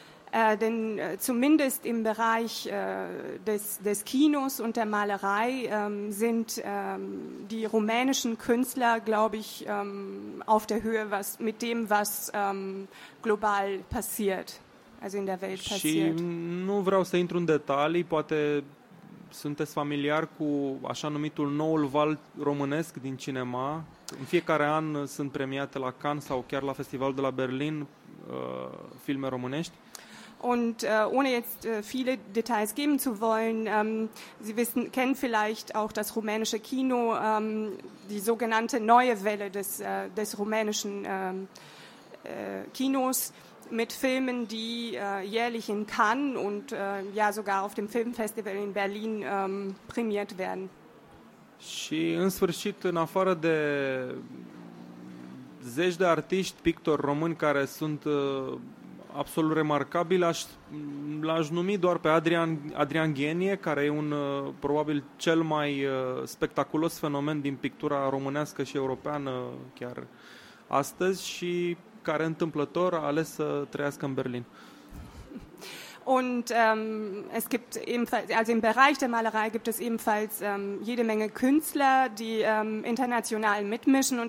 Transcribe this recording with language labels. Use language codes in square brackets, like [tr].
[de] Denn zumindest im Bereich des Kinos und der Malerei sind die rumänischen Künstler, glaube ich, auf der Höhe was mit dem, was global passiert, also in der Welt passiert. [ro] Și nu vreau să intru în detalii, poate sunteți familiar cu așa numitul noul val românesc din cinema. În fiecare an sunt premiate la Cannes sau chiar la Festivalul de la Berlin filme românești. [de] Und ohne jetzt viele Details geben zu wollen, Sie wissen, kennen vielleicht auch das rumänische Kino, die sogenannte neue Welle des rumänischen Kinos mit Filmen, die jährlich in Cannes und ja sogar auf dem Filmfestival in Berlin prämiert werden. [ro] Și în sfârșit, în afară de zeci de artiști, pictori români care sunt absolut remarcabil, l-aș numi doar pe Adrian Ghenie, care e un probabil cel mai spectaculos fenomen din pictura românească și europeană chiar astăzi și care întâmplător a ales să trăiască în Berlin. [de] Und es gibt ebenfalls, also im Bereich der Malerei gibt es ebenfalls jede Menge Künstler, die international mitmischen.